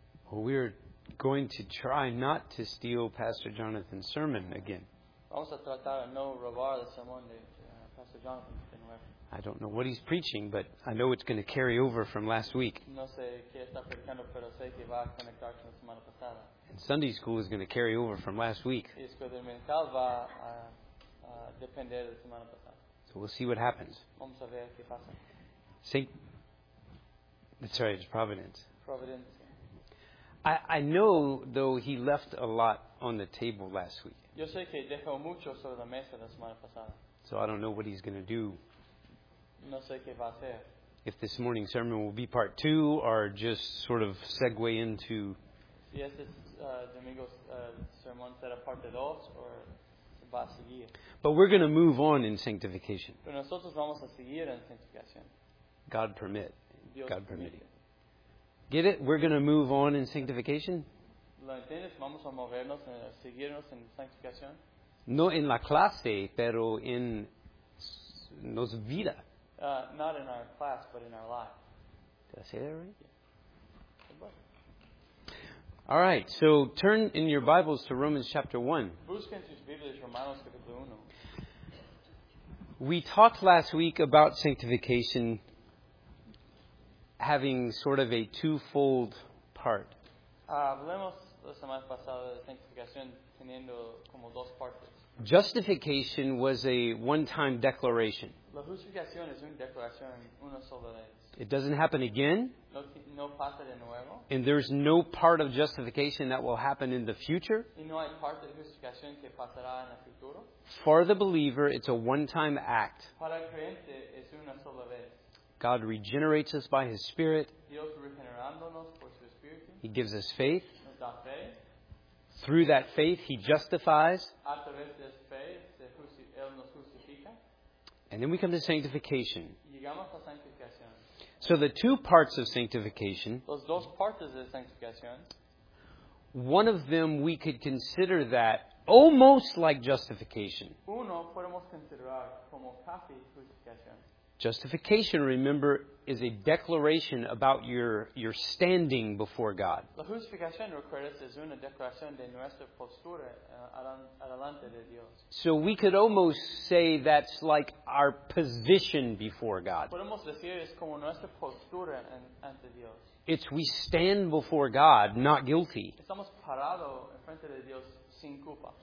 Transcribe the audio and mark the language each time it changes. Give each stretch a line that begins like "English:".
English: Well, we're going to try not to steal Pastor Jonathan's sermon again.
Spanish: Vamos a tratar de no robar el sermón de Pastor Jonathan.
English: I don't know what he's preaching, but I know it's going to carry over from last week.
Spanish: No sé qué está predicando, pero sé que va a conectar con la semana pasada.
English: And Sunday school is going to carry over from last week.
Spanish: Y escuela dominical va a depender de la semana pasada.
English: So we'll see what happens.
Spanish: Vamos a ver qué pasa.
English: It's Providence. Providence. I know, though, he left a lot on the table last week.
Spanish: Yo sé que dejó mucho sobre la mesa la semana pasada.
English: So I don't know what he's going to do.
Spanish: No sé qué va a hacer.
English: If this morning's sermon will be part two or just sort of segue into.
Spanish: Si este domingo's sermon será parte dos o va a seguir.
English: But we're going to move on in sanctification.
Spanish: Pero nosotros vamos a seguir en sanctificación.
English: God permit.
Spanish: Dios
English: God permit. Get it? We're going to move on in sanctification?
Spanish: ¿Lo entiendes? Vamos a movernos, a seguirnos en sanctificación. No en la clase, pero en nos vida.
English: Not in our class, but in our life. Did I say that right? Yeah. All right, so turn in your Bibles to Romans chapter 1.
Spanish: Busquen sus Biblias, Romanos capítulo 1.
English: We talked last week about sanctification having sort of a twofold part.
Spanish: Hablemos la semana pasada de sanctificación teniendo como dos partes.
English: Justification was a one-time declaration.
Spanish: La justificación es una declaración una sola vez.
English: It doesn't happen again.
Spanish: No pasa de nuevo.
English: And there's no part of justification that will happen in the future.
Spanish: Y no hay parte de justificación que pasará en el futuro.
English: For the believer, it's a one-time act.
Spanish: Para el creyente es una sola vez.
English: God regenerates us by His Spirit.
Spanish: Dios regenerándonos por su espíritu.
English: He gives us faith.
Spanish: Nos da fe.
English: Through that faith, He justifies.
Spanish: A través de fe, él nos justifica.
English: And then we come to sanctification.
Spanish: Llegamos a sanctificación.
English: So the two parts of sanctification,
Spanish: los dos partes de sanctificación,
English: one of them we could consider that almost like justification.
Spanish: Uno podemos considerar como casi justificación.
English: Justification, remember, is a declaration about your standing before God.
Spanish: La justificación, recuerda, es una declaración de nuestra postura adelante de Dios.
English: So we could almost say that's like our position before God.
Spanish: Podemos decir es como nuestra postura ante Dios.
English: It's we stand before God, not guilty.
Spanish: Estamos parado en frente de Dios sin culpa.